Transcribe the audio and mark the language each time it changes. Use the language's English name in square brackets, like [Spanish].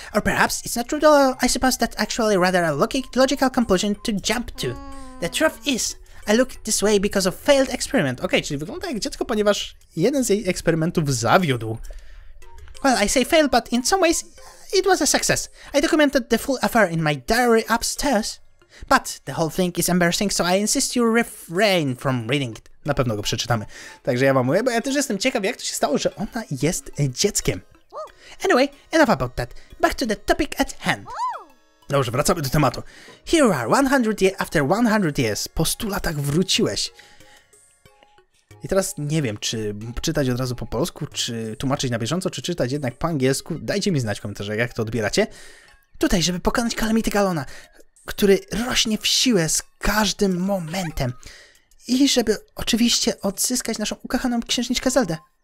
[English] Or perhaps it's not rude at all. I suppose that's actually rather a logical conclusion to jump to. The truth is, I look this way because of failed experiment. [Polish] Okej, czyli wygląda jak dziecko, ponieważ jeden z jej eksperymentów zawiódł. [English] Well, I say failed, but in some ways it was a success. I documented the full affair in my diary upstairs. But the whole thing is embarrassing, so I insist you refrain from reading it. [Polish] Na pewno go przeczytamy. Także ja wam mówię, bo ja też jestem ciekaw, jak to się stało, że ona jest dzieckiem. [English] Anyway, enough about that. Back to the topic at hand. [Polish] Dobrze, wracamy do tematu. [English] Here you are, 100 years after 100 years. [Polish] Po 100 latach wróciłeś. I teraz nie wiem, czy czytać od razu po polsku, czy tłumaczyć na bieżąco, czy czytać jednak po angielsku. Dajcie mi znać w komentarzach, jak to odbieracie. Tutaj, żeby pokonać Calamity Galona, który rośnie w siłę z każdym momentem. I żeby oczywiście odzyskać naszą ukochaną księżniczkę Zeldę.